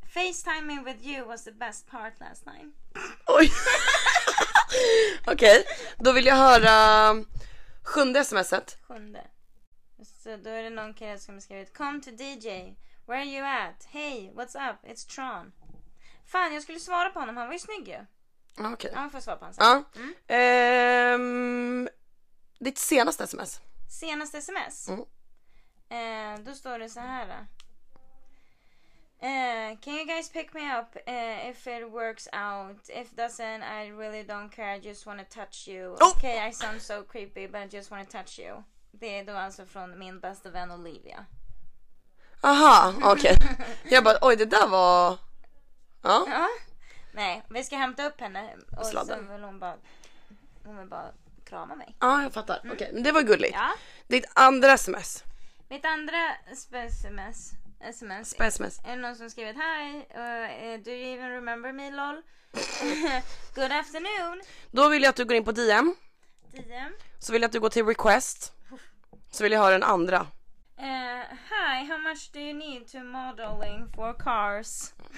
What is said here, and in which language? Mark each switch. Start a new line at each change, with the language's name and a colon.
English: FaceTiming with you was the best part last night.
Swedish: Oj. Okej, okay. Då vill jag höra sjunde sms:et. Sjunde. Så då är det någon kille som har skrivit,
English: come to DJ, where are you at? Hey, what's up? It's Tron.
Swedish: Fan, jag skulle svara på honom, han var ju snygg ju. Okej. Okay. Ja, jag får svara på honom. Ja. Mm. Ditt senaste sms. Senaste sms? Mm. Då står det så här.
English: Can you guys pick me up if it works out? If doesn't, I really don't care. I just want to touch you. Okay, I sound so creepy, but I just want to touch you.
Swedish: Det är då alltså från min bästa vän Olivia. Aha, okej. Okay. Jag bara, oj, det där var... Ja. Ja. Nej, vi ska hämta upp henne. Och så vill hon vill bara krama mig. Ja, jag fattar. Mm. Okej, okay, det var gulligt. Ja. Ditt andra sms. Mitt andra sms. SMS. Spesmes. Är det någon som skrivit
English: hi, do you even remember me lol? Good afternoon.
Swedish: Då vill jag att du går in på DM. DM. Så vill jag att du går till request. Så vill jag ha den andra.
English: Hi, how much do you need to modeling for cars?